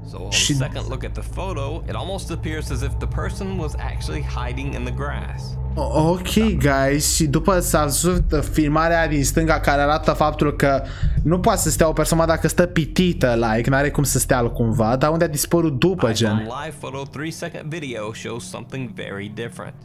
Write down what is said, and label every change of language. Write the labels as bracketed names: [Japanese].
[English] Second look at the photo, it almost appears as if the person was actually hiding in the grass. [Romanian] Ok, guys, și după s-a văzut filmarea din stânga care arată faptul că nu poate să stea o persoană dacă stă pitită, like, n-are cum să stea altcumva, dar unde a dispărut după, gen? [English] Live photo, 3-second video shows something very different.